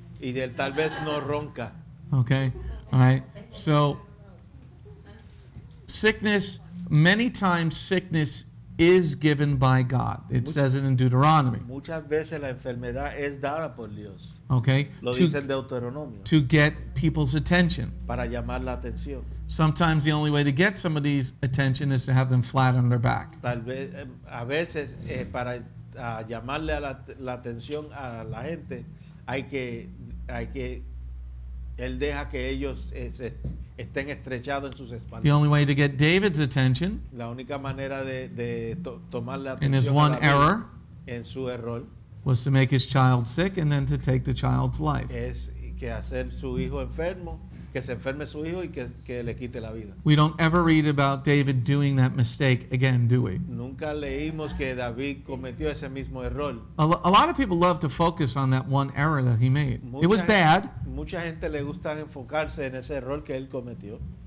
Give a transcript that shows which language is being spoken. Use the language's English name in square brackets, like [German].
[Spanish] Y él tal vez no ronca. [English] Okay, all right. So, sickness, many times sickness is given by God. It says it in Deuteronomy. [Spanish] Muchas veces la enfermedad es dada por Dios. [English] Okay. [Spanish] Lo dice en Deuteronomio. [English] To get people's attention. [Spanish] Para llamar la atención. [English] Sometimes the only way to get somebody's attention is to have them flat on their back. [Spanish] Tal vez, a veces, para llamarle la atención a la gente, hay que, él deja que ellos estén estrechados en sus espaldas. [English] The only way to get David's attention, [Spanish] la única manera de tomar la atención [English] in his one error, [Spanish] en su error, [English] was to make his child sick and then to take the child's life. [Spanish] Es que hacer su hijo enfermo, que se enferme su hijo y que le quite la vida. [English] We don't ever read about David doing that mistake again, do we? [Spanish] Nunca leímos que David cometió ese mismo error. [English] A lot of people love to focus on that one error that he made. It was bad. [Spanish] Mucha gente le gusta enfocarse en ese error que él cometió.